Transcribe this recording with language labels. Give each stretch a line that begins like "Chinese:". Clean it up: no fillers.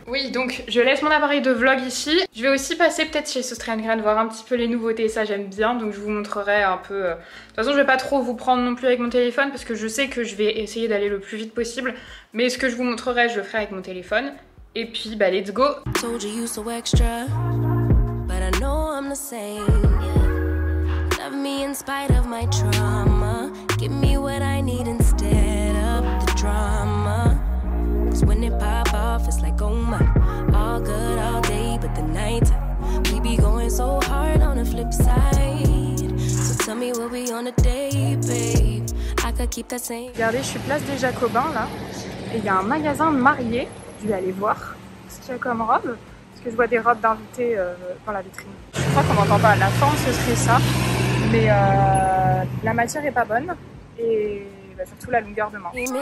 French: Oui, donc je laisse mon appareil de vlog ici. Je vais aussi passer peut-être chez Sostrengren, voir un petit peu les nouveautés, ça j'aime bien, donc je vous montrerai un peu. De toute façon, je vais pas trop vous prendre non plus avec mon téléphone, parce que je sais que je vais essayer d'aller le plus vite possible. Mais ce que je vous montrerai, je le ferai avec mon téléphone. Et puis, bah
English: let's go. Told you so extra, but I know I'm the same. Me in spite of my trauma, give me what I need instead of the drama. 'Cause when it pop off, it's like oh my, all good all day, but the night we be going so hard on the flip side. So tell me what we on a day, babe. I could keep that same.
French: Regardez, je suis place des Jacobins là, et il y a un magasin de mariés. Je vais aller voir ce qu'il y a comme robe, parce que je vois des robes d'invités dans la vitrine. Je crois qu'on n'entend pas la forme, ce serait ça. Mais la matière est pas bonne et bah, surtout la longueur de manche.